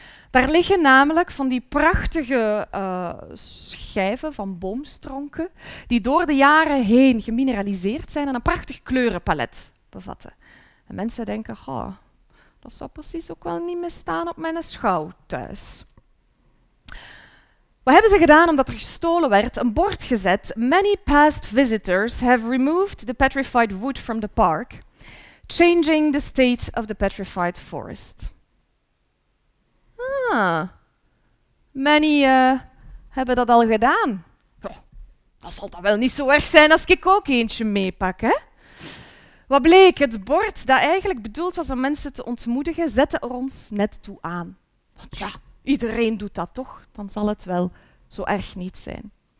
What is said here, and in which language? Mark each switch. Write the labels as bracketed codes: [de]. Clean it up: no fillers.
[nl] Daar liggen namelijk van die prachtige schijven van boomstronken die door de jaren heen gemineraliseerd zijn en een prachtig kleurenpalet bevatten. En mensen denken, oh, dat zou precies ook wel niet meer staan op mijn schouw thuis. Wat hebben ze gedaan omdat er gestolen werd? Een bord gezet. [en] Many past visitors have removed the petrified wood from the park, changing the state of the petrified forest. [nl] Many hebben dat al gedaan. Dat zal dan wel niet zo erg zijn als ik ook eentje meepak, hè? Wat bleek? Het bord dat eigenlijk bedoeld was om mensen te ontmoedigen, zette er ons net toe aan. Ja, iedereen doet dat toch? Dan zal het wel zo erg niet zijn.